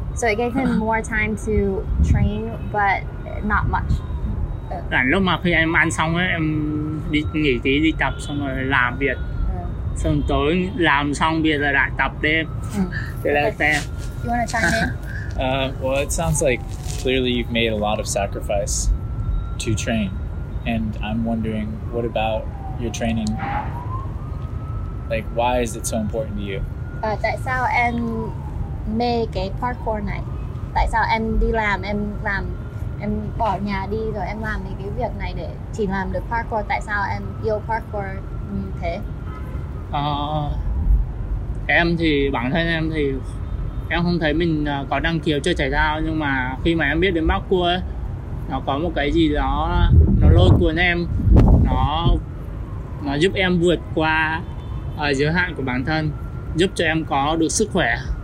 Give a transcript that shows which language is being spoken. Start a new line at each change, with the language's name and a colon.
English: So it gave him more time to train, but not much.
Vietnamese: Lúc mà khi em ăn xong ấy, em đi nghỉ tí, đi tập xong rồi làm việc. Xong tối làm xong việc rồi lại tập đêm. Thế là thế.
English: You wanna chime in? Well, it sounds like clearly you've made a lot of sacrifice to train, and I'm wondering what about your training? Like, why is it so important to you?
Vietnamese: Tại sao em mê cái parkour này? Tại sao em đi làm, em bỏ nhà đi rồi em làm cái việc này để chỉ làm được parkour? Tại sao em yêu parkour như thế? Em thì bản thân em thì em không thấy mình có năng khiếu chơi thể thao, nhưng mà khi mà em biết đến parkour ấy, nó có một cái gì đó nó lôi cuốn em, nó giúp em vượt qua ở giới hạn của bản thân, giúp cho em có được sức khỏe.